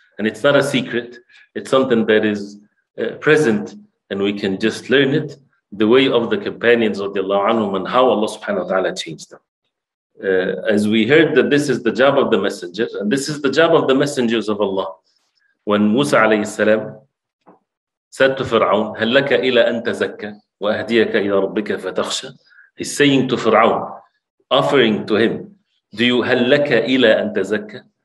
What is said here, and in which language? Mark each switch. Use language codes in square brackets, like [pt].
[en] And it's not a secret. It's something that is present, and we can just learn it, the way of the companions of the Allah anhum and how Allah subhanahu wa ta'ala changed them. As we heard that this is the job of the messenger, and this is the job of the messengers of Allah. When Musa alayhi salam said to Fir'aun, [ar] هَلْ لَكَ إِلَىٰ أَن تَزَكَّى وَأَهْدِيَكَ إِلَىٰ رَبِّكَ فَتَخْشَى. [en] He's saying to Fir'aun, offering to him, [ar] هَلْ لَكَ إِلَىٰ أَن تَزَكَّى.